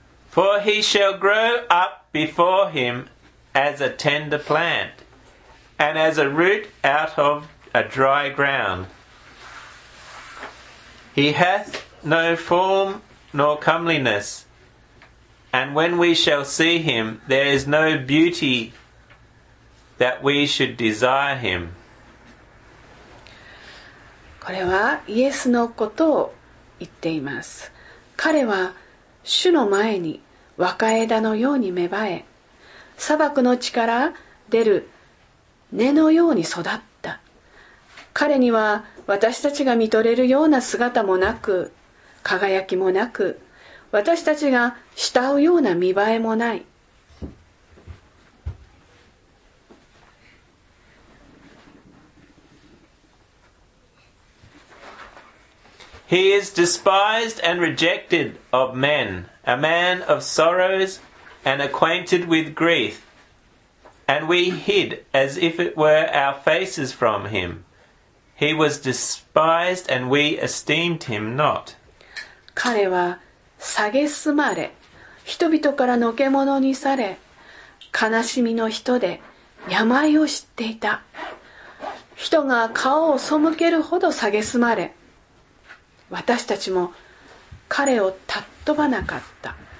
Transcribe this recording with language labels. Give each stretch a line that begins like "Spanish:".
English: For he shall grow up before him as a tender plant, and as a root out of a dry ground. He hath no form nor comeliness, and when we shall see him, there is no beauty that we should desire him.
Japanese: これはイエスのことを言っています。彼は主の前に若枝のように芽生え、砂漠の地から出る根のように育った。彼には私たちが見とれるような姿もなく、輝きもなく、私たちが慕うような見栄えもない。
English: He is despised and rejected of men. A man of sorrows and acquainted with grief, and we hid as if it were our faces from him. He was despised and we esteemed him not.
Japanese: 彼は蔑まれ、人々からのけものにされ、悲しみの人で病を知っていた。人が顔を背けるほど蔑まれ、私たちも彼をたっ飛ばなかった。